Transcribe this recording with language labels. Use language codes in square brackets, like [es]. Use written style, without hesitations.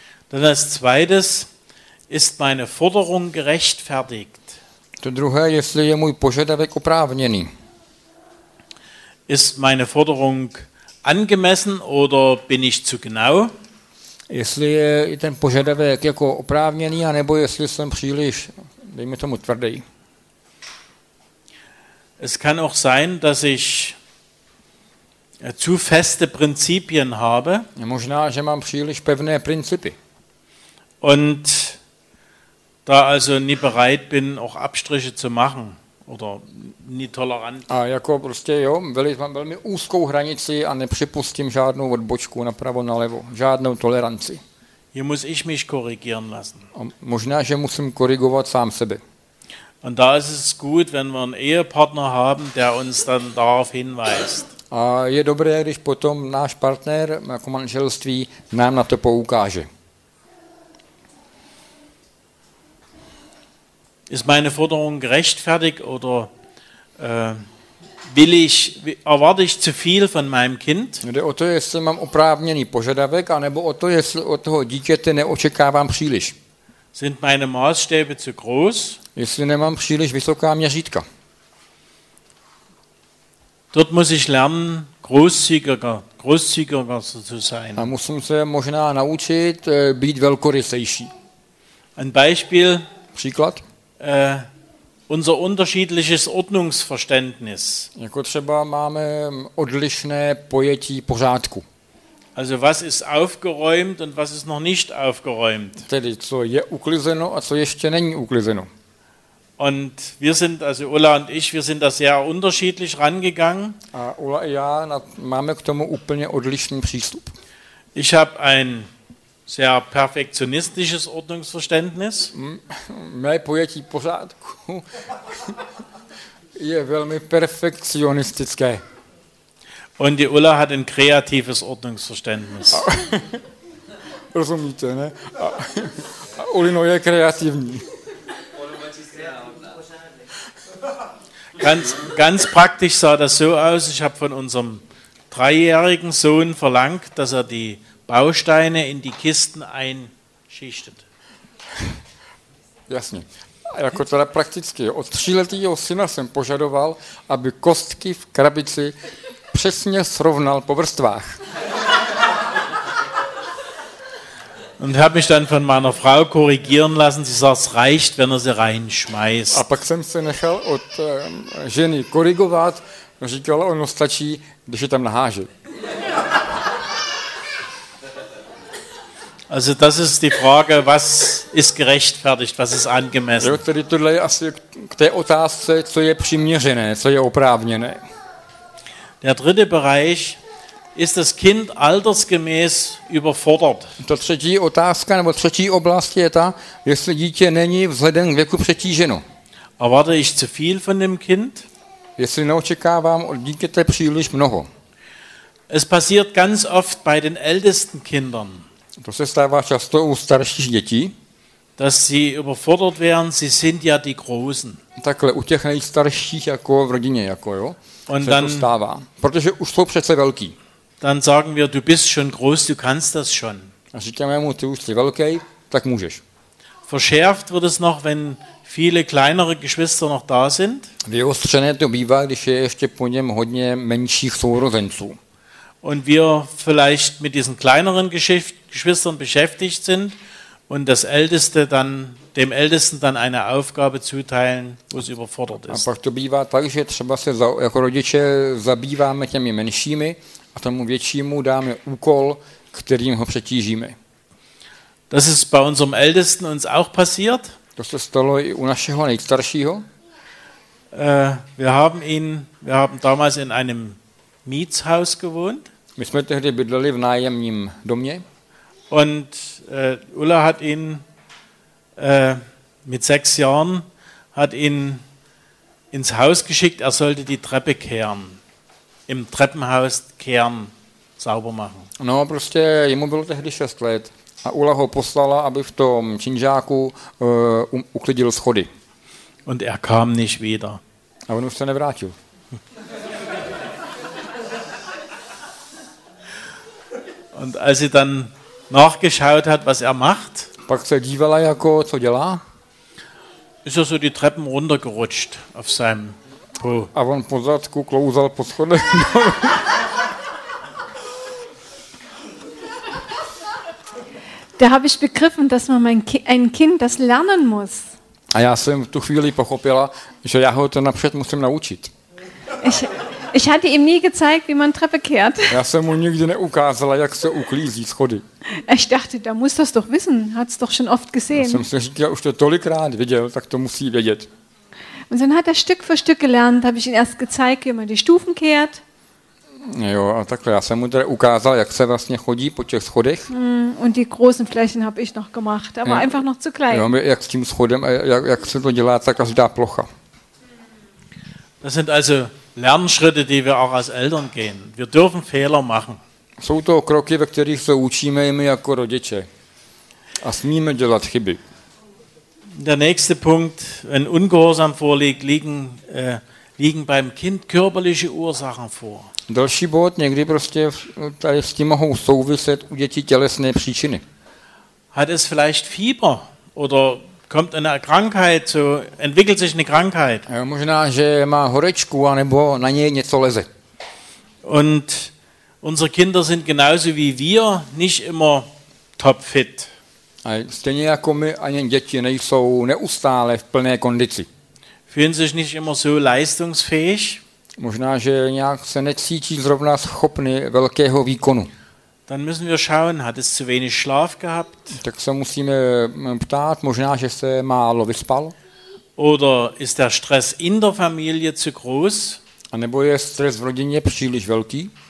[de] Dann als zweites ist meine Forderung gerechtfertigt. [cs] To druhé, jestli je můj požadavek oprávněný. [de] Ist meine Forderung angemessen oder bin ich zu genau? [cs] Jestli je ten požadavek jako oprávněný, anebo jestli jsem příliš, dejme tomu, tvrdý. [de] Es kann auch sein, dass ich zu feste Prinzipien habe. [cs] Možná, že mám příliš pevné principy. [de] Und da also nie bereit bin, auch Abstriche zu machen. Oder nie tolerant. [cs] A jako prostě jo, mám velmi úzkou hranici a nepřipustím žádnou odbočku napravo, nalevo. Žádnou toleranci. [de] Hier muss ich mich korrigieren lassen. [cs] Možná, že musím korigovat sám sebe. [de] Und da ist es gut, wenn wir einen Ehepartner haben, der uns dann darauf hinweist. [cs] A je dobré, když potom náš partner jako manželství nám na to poukáže. [de] Ist meine Forderung gerechtfertigt oder will ich, erwarte ich zu viel von meinem Kind? [cs] Jde o to, jestli mám oprávněný požadavek, anebo o to, jestli od toho dítěte neočekávám příliš. [de] Sind meine Maßstäbe zu groß? [cs] Jestli nemám příliš vysoká měřítka. [de] Dort muss ich lernen, großzügiger zu sein. [cs] A musím se možná naučit být velkorysejší. [de] Ein Beispiel. [cs] Příklad. [de] Unser unterschiedliches Ordnungsverständnis. [cs] Jako třeba máme odlišné pojetí pořádku. [de] Also was ist aufgeräumt und was ist noch nicht aufgeräumt? [cs] Tedy co je uklizeno a co ještě není uklizeno. [de] Und wir sind, also Ulla und ich, wir sind da sehr unterschiedlich rangegangen. [cs] A Ulla a já máme k tomu úplně odlišný přístup. [de] Ich habe ein sehr perfektionistisches Ordnungsverständnis. [cs] Mé pojetí pořádku je velmi perfekcionistické. [de] Und die Ulla hat ein kreatives Ordnungsverständnis. [cs] Rozumíte, ne? A Ulino je kreativní. [de] Ganz praktisch sah das so aus, ich habe von unserem dreijährigen Sohn verlangt, dass er die Bausteine in die Kisten einschichtet. [cs] Jasně. Jako teda prakticky. Od tříletýho syna jsem požadoval, aby kostky v krabici přesně srovnal po vrstvách. [de] Und habe mich dann von meiner Frau korrigieren lassen. Sie sagt, es reicht, wenn er sie reinschmeißt. [cs] A pak jsem se nechal od ženy korigovat. Říkala, ono stačí, když je tam naháže. [de] Also das ist die Frage, was ist gerechtfertigt, was ist angemessen. [cs] Jo, tedy tohle je asi k té otázce, co je přiměřené, co je oprávněné. [de] Der dritte Bereich, ist das Kind altersgemäß überfordert? [cs] Ta třetí otázka, nebo třetí oblast je ta, jestli dítě není vzhledem k věku přetíženo. [de] Erwarte ich zu viel von dem Kind? [cs] Jestli neočekávám od dítěte příliš mnoho. [de] Es passiert ganz oft bei den ältesten Kindern. [cs] To se stává často u starších dětí. [de] Dass sie überfordert werden, sie sind ja die Großen. [cs] Takhle u těch nejstarších jako v rodině jako jo. [de] Und [cs] se [de] dann, [cs] to stává, protože už jsou přece velký. [de] Dann sagen wir, du bist schon groß, du kannst das schon. [cs] A říkáme mu, ty už jsi velký, tak můžeš. [de] Verschärft wird es noch, wenn viele kleinere Geschwister noch da sind. [cs] Vyostřené to bývá, když je ještě po něm hodně menších sourozenců. [de] Und wir vielleicht mit diesen kleineren Geschwistern beschäftigt sind und das Älteste dann dem Ältesten dann eine Aufgabe zuteilen, wo es überfordert ist. [cs] A pak to bývá tak, že třeba se jako rodiče zabýváme těmi menšími a tomu většímu dáme úkol, kterým ho přetížíme. [de] Das ist bei unserem Ältesten uns auch passiert. [cs] To se stalo i u našeho nejstaršího. [de] Wir haben damals in einem Mietshaus gewohnt. [cs] My jsme tehdy bydleli v nájemním domě. [de] Und Ulla hat ihn mit 6 Jahren hat ihn ins Haus geschickt, er sollte die Treppe kehren. Im Treppenhaus kehren, sauber machen. [cs] No, prostě jemu bylo tehdy 6 let a Ulla ho poslala, aby v tom činžáku uklidil schody. [de] Und er kam nicht wieder. [cs] A on už se nevrátil. [de] Und als sie dann nachgeschaut hat, was er macht, [cs] pak se dívala, jako, co dělá, [de] ist er so die Treppen runtergerutscht auf seinem Po. [cs] A on po zadku klouzal po schodech. [de] Da habe ich begriffen, dass man ein Kind das lernen muss. [cs] A já jsem v tu chvíli pochopila, že já ho to napřed musím naučit. [de] Ich hatte ihm nie gezeigt, wie man Treppe kehrt. [cs] Já jsem mu nikdy neukázala, jak se uklízí schody. [de] Ich dachte, da muss das doch wissen, hat es doch schon oft gesehen. [cs] Já jsem si říkal, už to tolikrát viděl, tak to musí vědět. [de] Und dann hat er Stück für Stück gelernt, habe ich ihm erst gezeigt, wie man die Stufen kehrt. [cs] Jo, a takhle, já jsem mu tady ukázal, jak se vlastně chodí po těch schodech. [de] Und die großen Flächen habe ich noch gemacht, aber einfach noch zu klein. [cs] Jo, jak s tím schodem, jak se to dělá, ta každá plocha. [de] Das sind also Lernschritte, die wir auch als Eltern gehen. Wir dürfen Fehler machen. [cs] Jsou to kroky, ve kterých se učíme i my jako rodiče. A smíme dělat chyby. [de] Der nächste Punkt, wenn Ungehorsam vorliegt, liegen beim Kind körperliche Ursachen vor. [cs] Další bod, někdy prostě tady s tím mohou souviset u dětí tělesné příčiny. [de] Hat es vielleicht Fieber oder kommt eine Krankheit, so entwickelt sich eine Krankheit. [cs] Jo, možná, že má horečku anebo na něj něco leze. [de] Und unsere Kinder sind genauso wie wir nicht immer topfit. [cs] A stejně jako my, ani děti nejsou neustále v plné kondici. [de] Fühlen sich nicht immer so leistungsfähig. [cs] Možná, že nějak se necítí zrovna schopny velkého výkonu. [de] Dann müssen wir schauen, hat es zu wenig Schlaf gehabt? [cs] Tak se musíme ptát, možná, že se málo vyspal. [de] Oder ist der Stress in der Familie zu groß? [cs] A nebo je stres v rodině příliš velký?